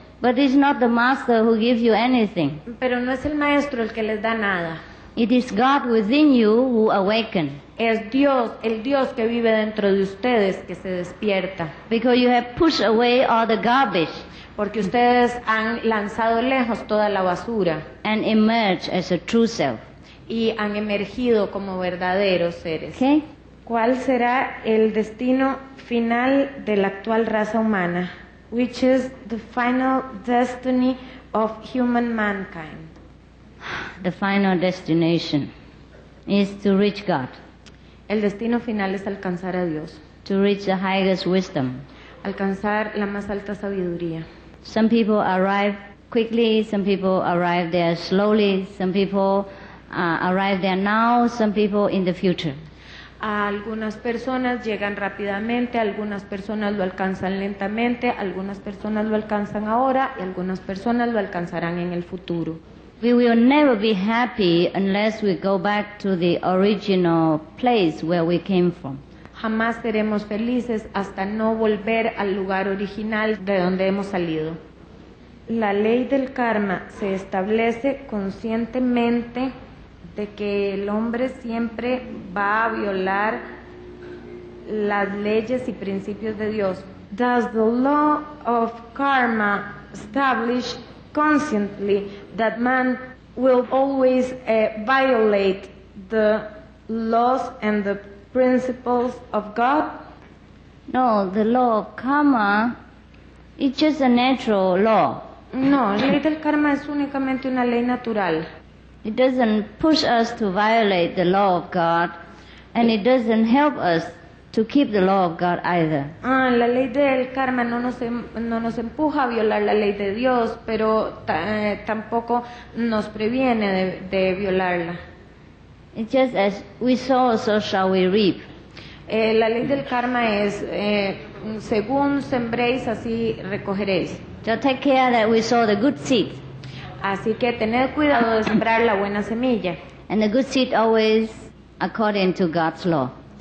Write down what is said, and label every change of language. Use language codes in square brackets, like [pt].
[en] But it's not the master who gives you anything. [es] Pero no es el maestro el que les da nada. [en] It is God within you who awaken. [es] Es Dios, el Dios que vive dentro de ustedes que se despierta. [en] Because you have pushed away all the garbage. [es] Porque ustedes han lanzado lejos toda la basura. [en] And emerged as a true self. [es] Y han emergido como verdaderos seres. [en] Okay. [es] ¿Cuál será el destino final de la actual raza humana? [en] Which is the final destiny of human mankind? The final destination is to reach God. [es] El destino final es alcanzar a Dios. [en] To reach the highest wisdom. [es] Alcanzar la más alta sabiduría. [en] Some people arrive quickly, some people arrive there slowly, some people arrive there now, some people in the future. [es] Algunas personas llegan rápidamente, algunas personas lo alcanzan lentamente, algunas personas lo alcanzan ahora y algunas personas lo alcanzarán en el futuro. [en] We will never be happy unless we go back to the original place where we came from. [es] Jamás seremos felices hasta no volver al lugar original de donde hemos salido. La ley del karma se establece conscientemente de que el hombre siempre va a violar las leyes y principios de Dios. [en] Does the law of karma establish consciously that man will always violate the laws and the principles of God? No, the law of karma, it's just a natural law. [es] No, la ley del karma es únicamente una ley natural. [en] It doesn't push us to violate the law of God, and it doesn't help us to keep the law of God either. [es] La ley del karma no nos empuja a violar la ley de Dios, pero tampoco nos previene de violarla. [en] It's just as we sow, so shall we reap. [es] La ley del karma es según sembréis, así recogeréis. [en] So take care that we sow the good seeds. [es] Así que tened cuidado de sembrar la buena semilla. [en] And the good seed always according to God's law.